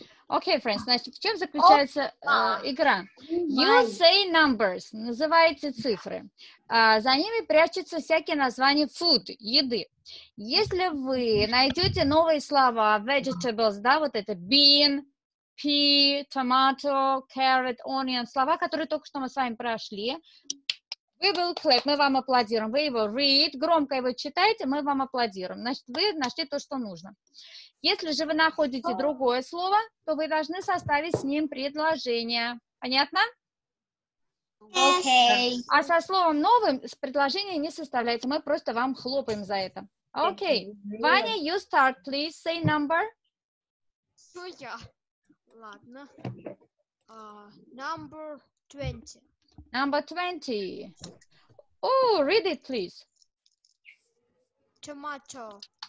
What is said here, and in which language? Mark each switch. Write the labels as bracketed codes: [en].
[en] Okay, friends, [ru] значит, в чем заключается игра? [en] You say numbers, [ru] называется цифры. За ними прячутся всякие названия food, еды. Если вы найдете новые слова, vegetables, да, вот это [en] bean, pea, tomato, carrot, onion, [ru] слова, которые только что мы с вами прошли. [en] We will clap, [ru] мы вам аплодируем. Вы его read, громко его читаете, мы вам аплодируем. Значит, вы нашли то, что нужно. Если же вы находите другое слово, то вы должны составить с ним предложение. Понятно? Окей. А со словом новым предложение не составляется, мы просто вам хлопаем за это. Окей. [en] Ваня, you start, please, say number. [ru] Что я? Ладно. [en] Number 20. Number 20. Oh, read it, please. Tomato.